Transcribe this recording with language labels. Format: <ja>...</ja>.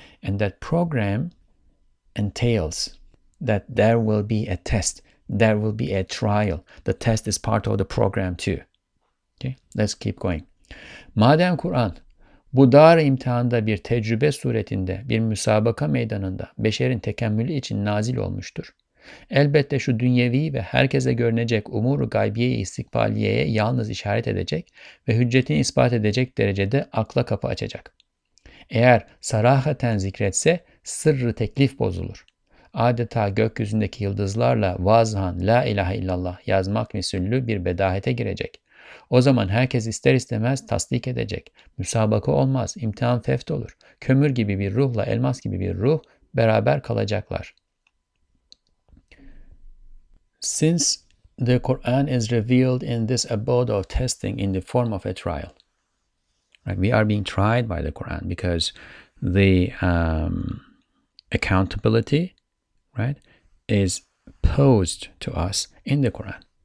<en>And that program entails that there will be a test, there will be a trial. The test is part of the program too. Okay, let's keep going.</en> <tr>Madem Kur'an bu dar imtihanda bir tecrübe suretinde, bir müsabaka meydanında, beşerin tekemmülü için nazil olmuştur. Elbette şu dünyevi ve herkese görünecek umuru gaybiye-i istikbaliyeye yalnız işaret edecek ve hüccetini ispat edecek derecede akla kapı açacak. Eğer sarahaten zikretse sırrı teklif bozulur. Adeta gökyüzündeki yıldızlarla vazhan la ilahe illallah yazmak misullü bir bedahete girecek. O zaman herkes ister istemez tasdik edecek. Müsabaka olmaz, imtihan feft olur. Kömür gibi bir ruhla elmas gibi bir ruh beraber kalacaklar.</tr> <en>Since the Quran is revealed in this abode of testing in the form of a trial, right? We are being tried by the Quran because the accountability, right, is posed to us in the Quran.</en>